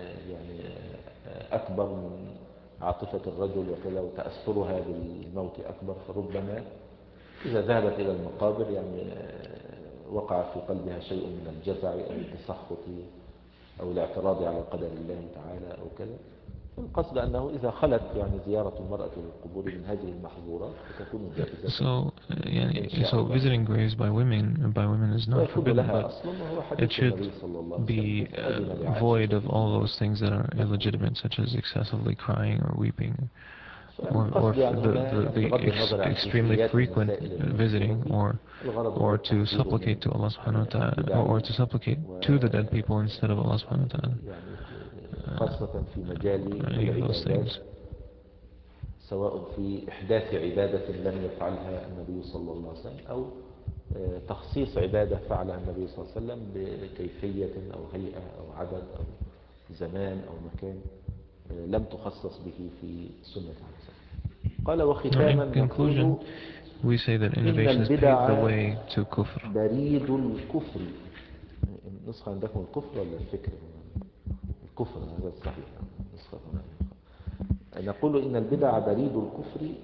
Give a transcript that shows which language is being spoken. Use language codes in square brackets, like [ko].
[ar] يعني أكبر من عاطفة الرجل وكذا وتأثرها بالموت أكبر، فربما إذا ذهبت إلى المقابر يعني وقع في قلبها شيء من الجزع أو التسخط أو الاعتراض على قدر الله تعالى أو كذا. القصد أنه إذا خلت يعني زيارة المرأة للقبور من هذه المحظورات فتكون جائزة. [en] So, [ar] يعني, [en] so visiting graves by women is not forbidden, but it should be void of all those things that are illegitimate, such as excessively crying or weeping, or the extremely frequent visiting, or to supplicate to Allah subhanahu wa ta'ala, or to supplicate to the dead people instead of Allah subhanahu wa ta'ala. [ar] خاصة في مجال العبادات، سواء في إحداث عبادة لم يفعلها النبي صلى الله عليه وسلم أو تخصيص عبادة فعلها النبي صلى الله عليه وسلم بكيفية أو هيئة أو عدد أو زمان أو مكان لم تخصص به في سنة عليه وسلم. قال وختاما [en] conclusion, we say that innovation has paved the way to kufr. [ar] بريد الكفر. النسخة عندكم الكفر ولا الفكر؟ الكفر هذا صحيح. نسخة نقول إن البدع بريد الكفر.